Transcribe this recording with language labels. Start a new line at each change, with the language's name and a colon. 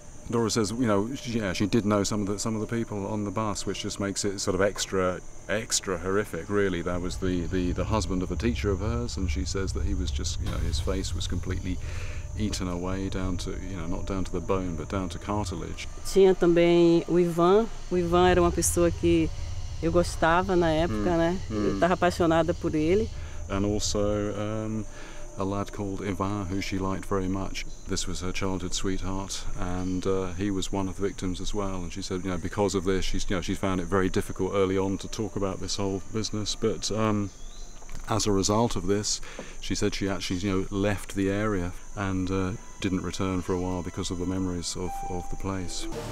English: Dora says, you know, she did know some of the people on the bus, which just makes it sort of extra horrific, really. There was the husband of a teacher of hers, and she says that he was just, you know, his face was completely eaten away down to, you know, not down to the bone, but down to cartilage.
Portuguese: Tinha também o Ivan. O Ivan era uma pessoa que eu gostava na época, né? Eu estava apaixonada por ele.
English: And also a lad called Ivan, who she liked very much. This was her childhood sweetheart, and he was one of the victims as well. And she said, you know, because of this, she found it very difficult early on to talk about this whole business. But as a result of this, she said she actually, you know, left the area and didn't return for a while because of the memories of the place.